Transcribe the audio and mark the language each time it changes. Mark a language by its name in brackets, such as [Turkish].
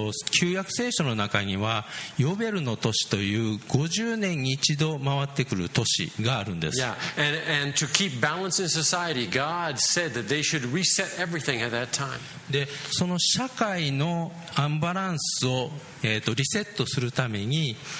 [Japanese] 旧約聖書の中にはヨベルの年という50年に一度回ってくる年があるんです。 Yeah. [English] And to keep balance in society, God said that they should reset everything at that time. [Japanese] でその社会のアンバランスを、リセットするために、